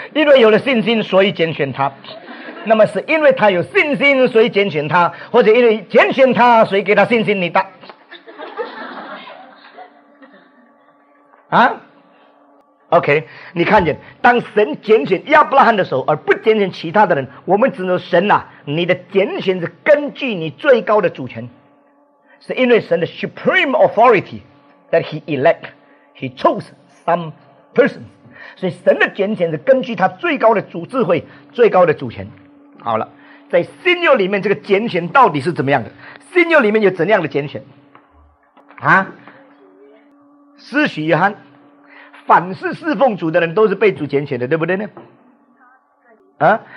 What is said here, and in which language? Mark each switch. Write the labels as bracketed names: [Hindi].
[Chinese] 因为有了信心，所以拣选他。那么是因为他有信心，所以拣选他，或者因为拣选他，所以给他信心？你答。啊 ？OK， 你看见，当神拣选亚伯拉罕的时候，而不拣选其他的人，我们只能神啊，你的拣选是根据你最高的主权。是因为神的 [English] supreme authority that he elect, he chose some person. [Chinese] 所以神的拣选是根据他最高的主智慧，最高的主权。好了，在新约里面这个拣选到底是怎么样的？新约里面有怎样的拣选？啊？施洗约翰，凡是侍奉主的人都是被主拣选的，对不对呢？啊？